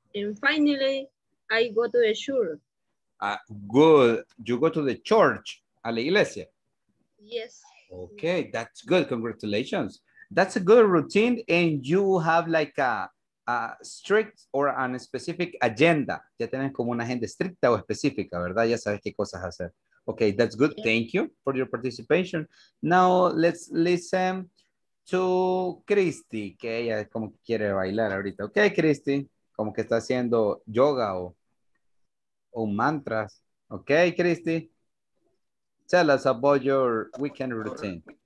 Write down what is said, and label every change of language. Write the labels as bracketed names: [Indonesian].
[English] And finally, I go to the church. Good, you go to the church, [Spanish] a la iglesia? [English] Yes. Okay, that's good, congratulations. That's a good routine, and you have like a strict or an specific agenda. [Spanish] Ya tienen como una agenda estricta o específica, ¿verdad? Ya sabes qué cosas hacer. [English] Okay, that's good. Thank you for your participation. Now, let's listen to Christy, [Spanish] que ella como que quiere bailar ahorita. Okay, Christy, como que está haciendo yoga o mantras. [English] Okay, Christy, tell us about your weekend routine.